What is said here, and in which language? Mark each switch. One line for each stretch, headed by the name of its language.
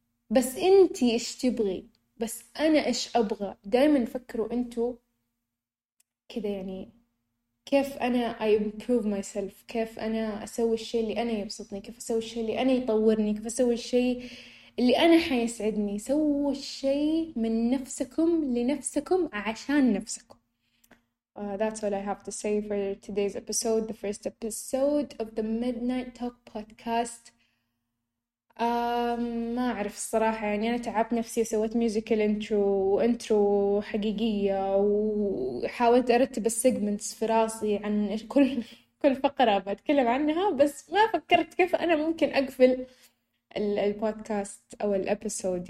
Arabic: بس أنتي إيش تبغي؟ بس أنا إيش أبغى؟ دايما فكروا أنتوا كذا، يعني كيف أنا
English: I improve myself،
Arabic: كيف أنا أسوي الشيء اللي أنا يبسطني، كيف أسوي الشيء اللي أنا يطورني، كيف أسوي الشيء اللي أنا حيسعدني. سووا الشيء من نفسكم لنفسكم عشان نفسكم.
English: That's all I have to say for today's episode, the first episode of the Midnight Talk podcast.
Arabic: ما أعرف الصراحة، يعني أنا تعبت نفسي وسويت ميوزيكال انترو وانترو حقيقية، وحاولت أرتب السيجمنتس في راسي عن كل فقرة بتكلم عنها، بس ما فكرت كيف أنا ممكن أقفل البودكاست أو الأبسود.